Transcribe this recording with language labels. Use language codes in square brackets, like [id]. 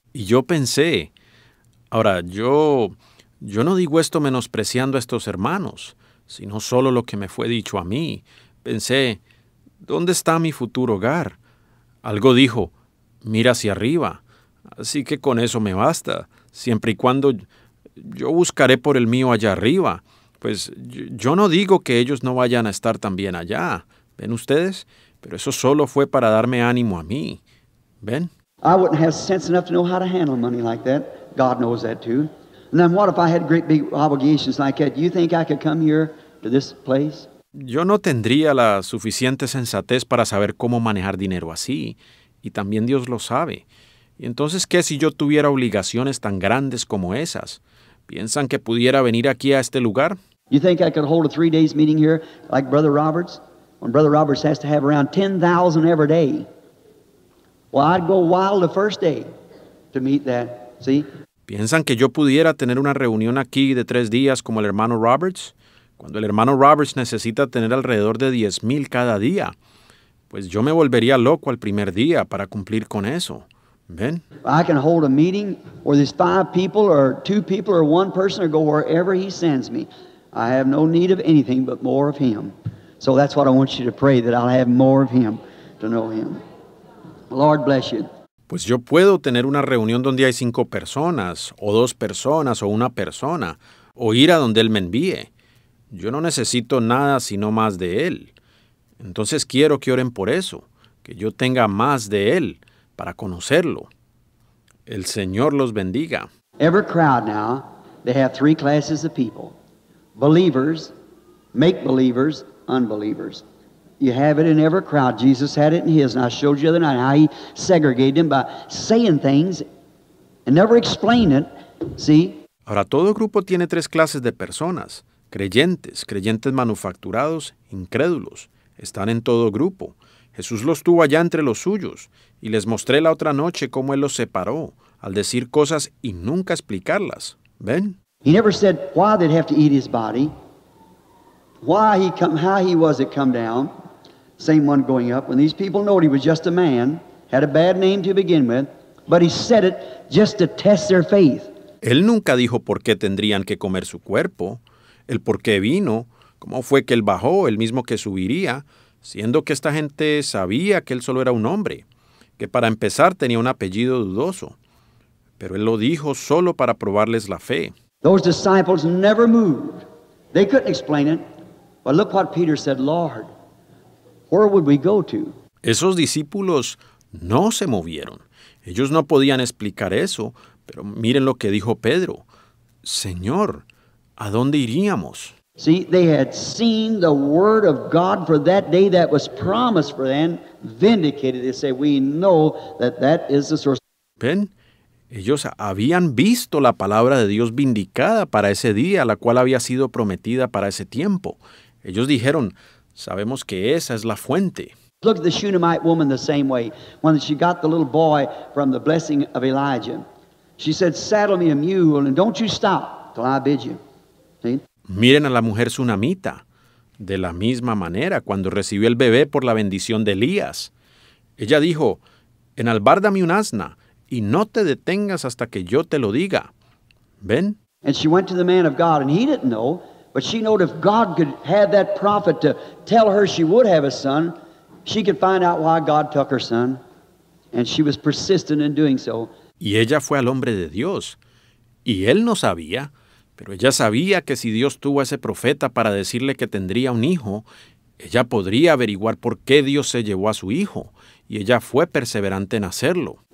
[es] Y yo pensé, ahora yo no digo esto menospreciando a estos hermanos, sino solo lo que me fue dicho a mí. Pensé, ¿dónde está mi futuro hogar? Algo dijo, mira hacia arriba. Así que con eso me basta. Siempre y cuando yo buscaré por el mío allá arriba. Pues yo no digo que ellos no vayan a estar también allá. ¿Ven ustedes? Pero eso solo fue para darme ánimo a mí. ¿Ven? [en] I wouldn't have sense enough to know how to handle money like that. God knows that too. And then what if I had great big obligations like that? Do you think I could come here to this place? [es] Yo no tendría la suficiente sensatez para saber cómo manejar dinero así. Y también Dios lo sabe. ¿Y entonces qué si yo tuviera obligaciones tan grandes como esas? ¿Piensan que pudiera venir aquí a este lugar? [en] You think I could hold a 3 days meeting here like Brother Roberts? When Brother Roberts has to have around 10,000 every day. Well, I'd go wild the first day to meet that, see? [es] ¿Piensan que yo pudiera tener una reunión aquí de 3 días como el hermano Roberts? Cuando el hermano Roberts necesita tener alrededor de 10,000 cada día, pues yo me volvería loco al primer día para cumplir con eso. ¿Ven? [en] I can hold a meeting where there's 5 people or 2 people or 1 person or go wherever he sends me. I have no need of anything but more of him. So that's what I want you to pray, that I'll have more of him to know him. Lord bless you. [es] Pues yo puedo tener una reunión donde hay 5 personas o 2 personas o 1 persona o ir a donde él me envíe. Yo no necesito nada sino más de él. Entonces quiero que oren por eso, que yo tenga más de él para conocerlo. El Señor los bendiga. [en] Every crowd now, they have 3 classes of people. Believers, make believers, unbelievers. You have it in every crowd. Jesus had it in his, and I showed you the other night how he segregated them by saying things and never explained it. See? [es] Ahora todo grupo tiene 3 clases de personas. Creyentes, creyentes manufacturados, incrédulos, están en todo grupo. Jesús los tuvo allá entre los suyos, y les mostré la otra noche cómo Él los separó, al decir cosas y nunca explicarlas. ¿Ven? [en] He never said why they'd have to eat his body, why he come, how he was to come down, same one going up, when these people know he was just a man, had a bad name to begin with, but he said it just to test their faith. [es] Él nunca dijo por qué tendrían que comer su cuerpo, el por qué vino, cómo fue que él bajó, el mismo que subiría, siendo que esta gente sabía que él solo era un hombre, que para empezar tenía un apellido dudoso. Pero él lo dijo solo para probarles la fe. [en] Those disciples never moved. They couldn't explain it. But look what Peter said, Lord, where would we go to? [es] Esos discípulos no se movieron. Ellos no podían explicar eso, pero miren lo que dijo Pedro. Señor, ¿a dónde iríamos? [en] See, they had seen the word of God for that day that was promised for them, vindicated. They say, we know that that is the source. [es] ¿Ven? Ellos habían visto la palabra de Dios vindicada para ese día, la cual había sido prometida para ese tiempo. Ellos dijeron, sabemos que esa es la fuente. [en] Look at the Shunammite woman the same way. When she got the little boy from the blessing of Elijah, she said, saddle me a mule and don't you stop till I bid you. [es] Miren a la mujer sunamita, de la misma manera cuando recibió el bebé por la bendición de Elías. Ella dijo, enalbárdame un asna y no te detengas hasta que yo te lo diga. ¿Ven? [en] And she went to the man of God and he didn't know, but she knew if God could have that prophet to tell her she would have a son, She could find out why God took her son, and she was persistent in doing so. [es] Y ella fue al hombre de Dios, y él no sabía, pero ella sabía que si Dios tuvo a ese profeta para decirle que tendría un hijo, ella podría averiguar por qué Dios se llevó a su hijo, y ella fue perseverante en hacerlo.